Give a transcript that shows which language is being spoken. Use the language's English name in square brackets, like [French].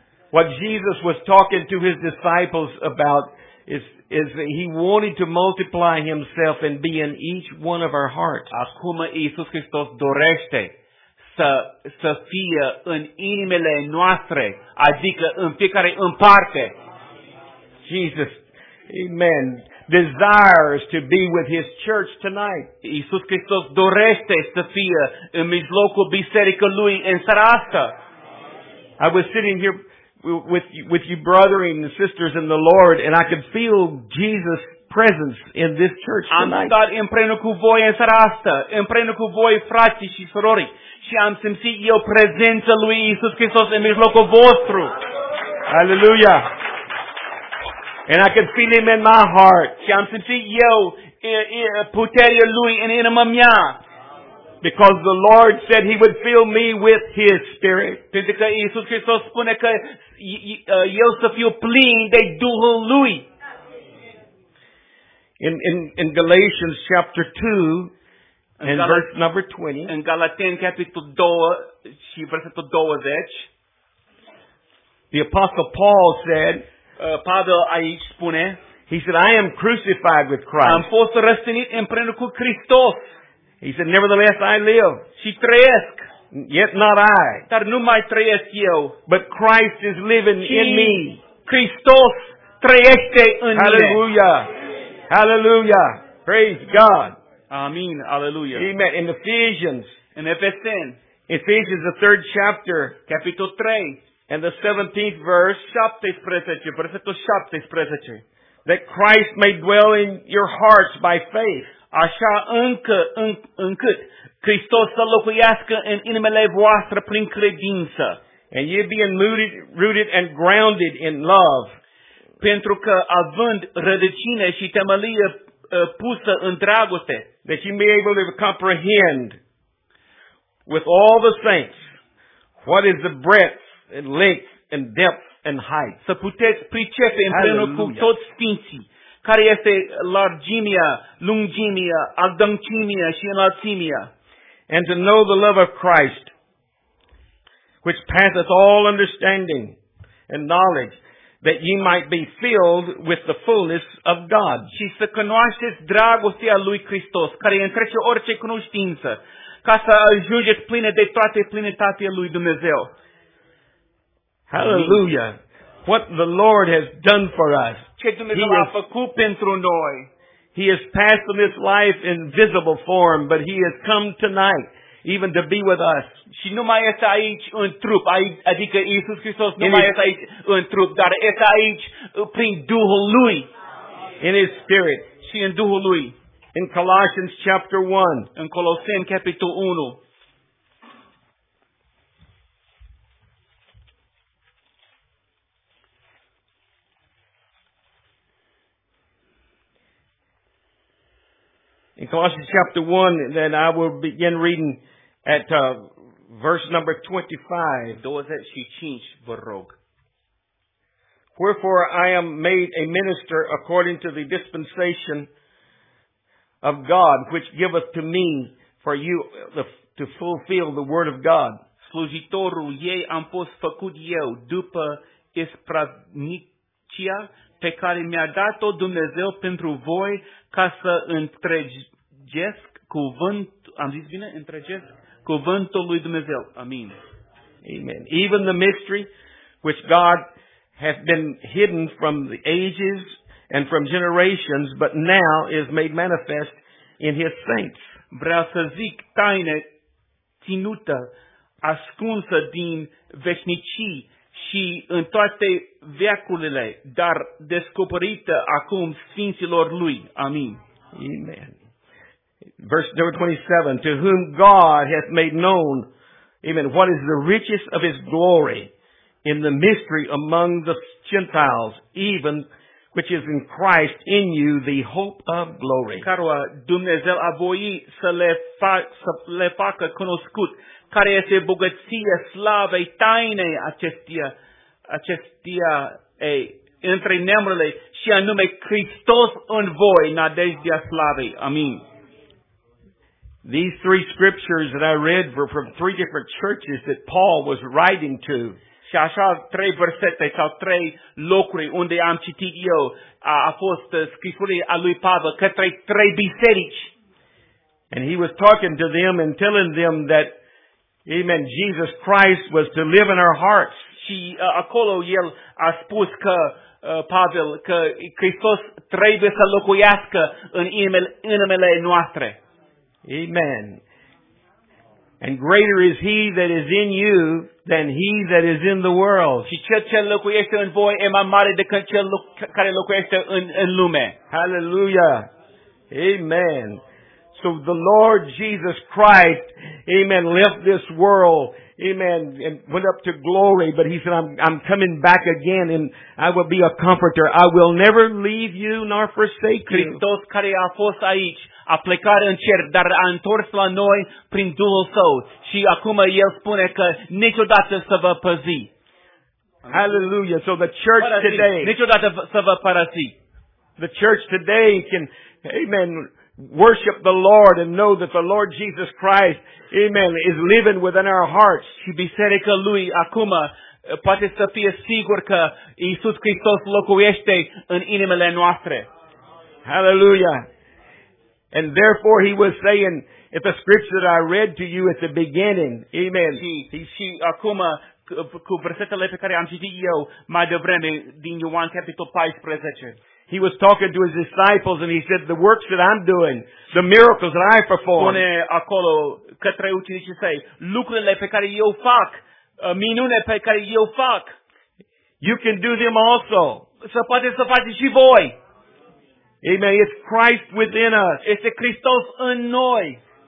[English] What Jesus was talking to his disciples about is that he wanted to multiply himself and be in each one of our hearts. [Romanian] Acum Iisus Hristos dorește să fie în inimile noastre, adică în fiecare în parte. [English] Jesus, amen, desires to be with his church tonight. [Romanian] Iisus Hristos dorește să fie în mijlocul bisericii lui în seara asta. [English] I was sitting here with you brothers and sisters in the Lord, and I could feel Jesus' presence in this church tonight. [Romanian] Am stat împreună cu voi în seara asta, împreună cu voi, frați și surori, și am simțit eu prezența lui Iisus Hristos în mijlocul vostru. [English] Hallelujah. And I could feel him in my heart. [Romanian] Și am simțit eu puterea lui în inima mea. [English] Because the Lord said he would fill me with his spirit. [Romanian] Pentru că Iisus Hristos spune că eu să fiu plin de Duhul lui. [English] In Galatians chapter 2 and verse number 20. [Romanian] În Galateni capitolul 2 și versetul 20. [English] The apostle Paul said, [Romanian] Pavel aici spune, [English] he said, I am crucified with Christ. [Romanian] Am fost răstignit împreună cu Hristos. [English] He said, nevertheless, I live. [Romanian] Și trăiesc. [English] Yet not I. [Romanian] Dar nu mai trăiesc eu. [English] But Christ is living in me. [Romanian] Hristos trăiește în mine. [English] Hallelujah. Hallelujah. Praise God. [Romanian] Amin. Hallelujah. [English] Amen. In Ephesians. In Ephesians. Ephesians, the 3rd chapter. [Romanian] Capitol 3. [English] And the 17th verse. [Romanian] 17. Versetul 17. [English] That Christ may dwell in your hearts by faith. [Romanian] Așa încât Hristos să locuiască în inimile voastre prin credință. [English] And ye being rooted and grounded in love. [Romanian] Pentru că având rădăcine și temelie pusă în dragoste. [English] That ye may be able to comprehend with all the saints what is the breadth and length and depth and height. [Romanian] Să puteți pricepe împreună cu toți sfinții. Care este largimea, lungimea, adâncimea și înălțimea. [English] And to know the love of Christ, which passeth all understanding and knowledge, that ye might be filled with the fullness of God. [Romanian] Și să cunoașteți dragostea lui Hristos, care întrece orice cunoștință, ca să ajungeți pline de toate plinitatea lui Dumnezeu. [English] Hallelujah. what the Lord has done for us. [Romanian] Ce Dumnezeu a făcut pentru noi. [English] He has passed from this life in visible form, but He has come tonight even to be with us. [Romanian] Și nu mai este aici în trup, adică Iisus Hristos nu mai este aici în trup, dar este aici prin Duhul Lui. [English] In His Spirit. [Romanian] Și în Duhul Lui. [English] In Colossians chapter 1. [Romanian] În Coloseni capitolul 1. [English] In Colossians chapter 1, then I will begin reading at verse number [Romanian] 25. Vă rog. [English] Wherefore I am made a minister according to the dispensation of God, which giveth to me for you to fulfill the word of God. [Romanian] Slujitorul ei am fost făcut eu după ispravnicia pe care mi-a dat-o Dumnezeu pentru voi ca să întregesc cuvântul lui Dumnezeu. Amin. [English] Amen. Even the mystery which God hath been hidden from the ages and from generations, but now is made manifest in His saints. [Romanian] Vreau să zic taină ținută, ascunsă din veșnicii și în toate veacurile, dar descoperită acum sfinților lui. Amin. [English] Amen. Verse number 27, to whom God hath made known, amen, what is the riches of His glory in the mystery among the Gentiles, even which is in Christ in you, the hope of glory. [Romanian] Care Dumnezeu a voit să le facă cunoscut, care este bogăția slavei tainei acestia între neamurile, și anume Hristos în voi, nădejdea slavei. Amin. [English] These three scriptures that I read were from three different churches that Paul was writing to. [Romanian] Și așa trei versete sau trei locuri unde am citit eu a fost scrisurile a lui Pavel către trei biserici. [English] And he was talking to them and telling them that, amen, Jesus Christ was to live in our hearts. [Romanian] Și acolo el a spus că Pavel, că Hristos trebuie să locuiască în inimile noastre. [English] Amen. And greater is He that is in you than he that is in the world. [Romanian] Și cel ce locuiește în voi e mai mare decât cel care locuiește în lume. [English] Hallelujah. Amen. So the Lord Jesus Christ, amen, left this world, amen, and went up to glory. But He said, I'm coming back again and I will be a comforter. I will never leave you nor forsake you. [Romanian] Hristos care a fost aici, a plecat în cer, dar a întors la noi prin Duhul Său. Și acum El spune că niciodată să vă păzi. [English] Hallelujah. So the church [Romanian] părăsi, [English] today. [Romanian] Niciodată să vă părăsi. [English] The church today can, amen, worship the Lord and know that the Lord Jesus Christ, amen, is living within our hearts. [Romanian] Și biserica Lui acum poate să fie sigur că Iisus Hristos locuiește în inimile noastre. [English] Hallelujah. And therefore He was saying, if the scripture that I read to you at the beginning, amen. [Romanian] Și acum, cu versetele pe care am citit eu mai devreme, din Ioan capitolul 14. [English] He was talking to His disciples and He said, the works that I'm doing, the miracles that I perform. [Romanian] Spune acolo, către ucenicii săi, lucrurile pe care eu fac, minune pe care eu fac. [English] You can do them also. [Romanian] Să poate să faceți și voi. [English] Amen. It's Christ within us. [Romanian] Este Hristos în noi.